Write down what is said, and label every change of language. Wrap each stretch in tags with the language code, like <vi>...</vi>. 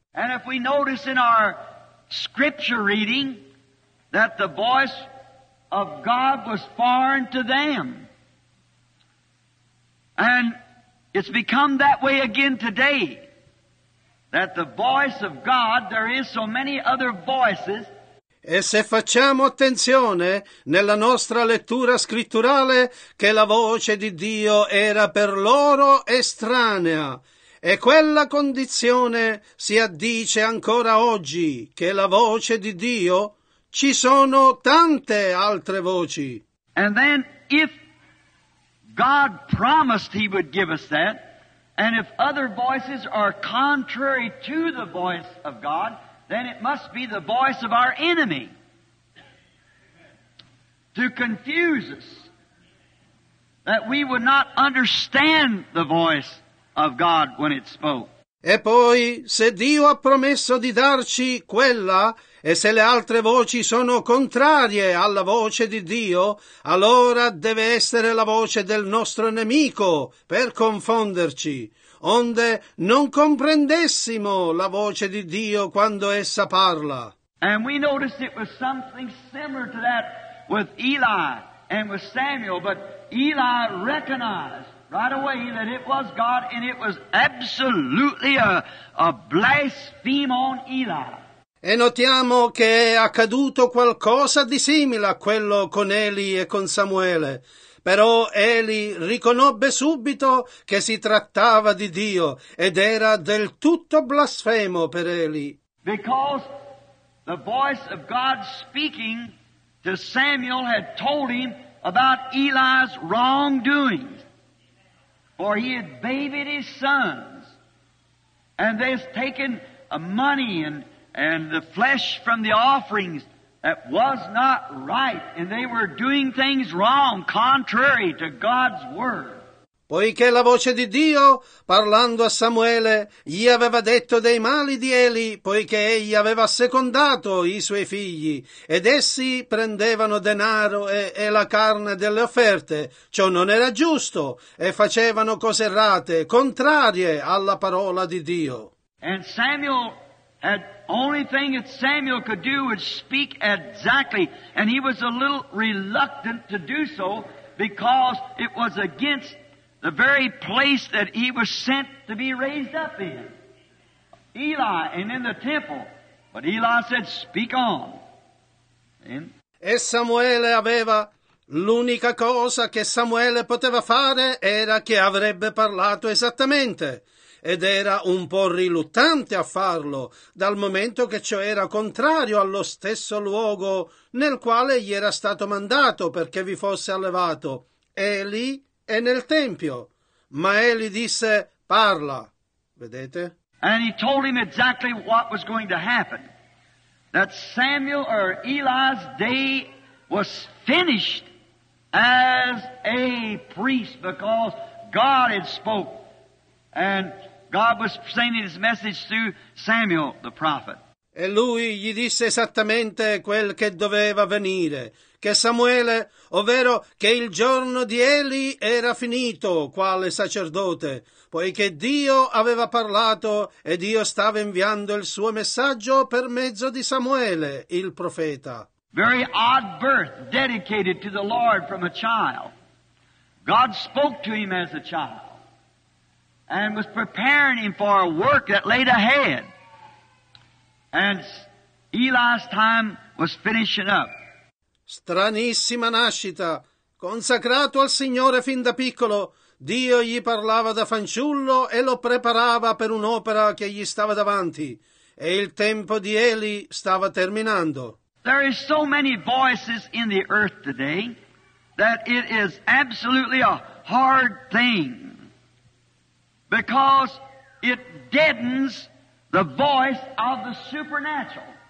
<en>And if we notice in our scripture reading that the voice of God was foreign to them, and it's become that way again today, that the voice of God, there is so many other voices.</en> <it>E se facciamo attenzione nella nostra lettura scritturale, che la voce di Dio era per loro estranea, e quella condizione si addice ancora oggi, che la voce di Dio, ci sono tante altre voci.</it> <en>And then if God promised He would give us that, and if other voices are contrary to the voice of God, then it must be the voice of our enemy to confuse us, that we would not understand the voice of God when it spoke.</en> <it>E poi, se Dio ha promesso di darci quella, e se le altre voci sono contrarie alla voce di Dio, allora deve essere la voce del nostro nemico per confonderci, onde non comprendessimo la voce di Dio quando essa parla.</it> <en>And we noticed it was something similar to that with Eli and with Samuel, but Eli recognized right away that it was God, and it was absolutely a blaspheme on Eli.</en> <it>E notiamo che è accaduto qualcosa di simile a quello con Eli e con Samuele. Però Eli riconobbe subito che si trattava di Dio ed era del tutto blasfemo per Eli.</it> <en>Because the voice of God speaking to Samuel had told him about Eli's wrongdoings. For he had babied his sons, and they had taken money and the flesh from the offerings that was not right, and they were doing things wrong, contrary to God's word.</en> <it>Poiché la voce di Dio, parlando a Samuele, gli aveva detto dei mali di Eli, poiché egli aveva assecondato i suoi figli, ed essi prendevano denaro e la carne delle offerte, ciò non era giusto, e facevano cose errate, contrarie alla parola di Dio.</it> <en>And Samuel had only thing that Samuel could do was speak exactly, and he was a little reluctant to do so because it was against the very place that he was sent to be raised up in, Eli, and in the temple. But Eli said, speak on.</en> <it>E Samuele aveva, l'unica cosa che Samuele poteva fare era che avrebbe parlato esattamente. Ed era un po' riluttante a farlo, dal momento che ciò era contrario allo stesso luogo nel quale gli era stato mandato perché vi fosse allevato. Eli è nel Tempio. Ma Eli disse, parla. Vedete?</it> <en>And he told him exactly what was going to happen. that Samuel or Eli's day was finished as a priest because God had spoke and God was sending his message through Samuel the prophet.</en> <it>E lui gli disse esattamente quel che doveva venire, che Samuele, ovvero che il giorno di Eli era finito, quale sacerdote, poiché Dio aveva parlato e Dio stava inviando il suo messaggio per mezzo di Samuele, il profeta.</it> <en>Very odd birth dedicated to the Lord from a child. God spoke to him as a child and was preparing him for a work that laid ahead. And Eli's time was finishing up.</en> <it>Stranissima nascita, consacrato al Signore fin da piccolo, Dio gli parlava da fanciullo e lo preparava per un'opera che gli stava davanti, e il tempo di Eli stava terminando.</it> <en>There is so many voices in the earth today that it is absolutely a hard thing because it deadens the voice of the supernatural.</en>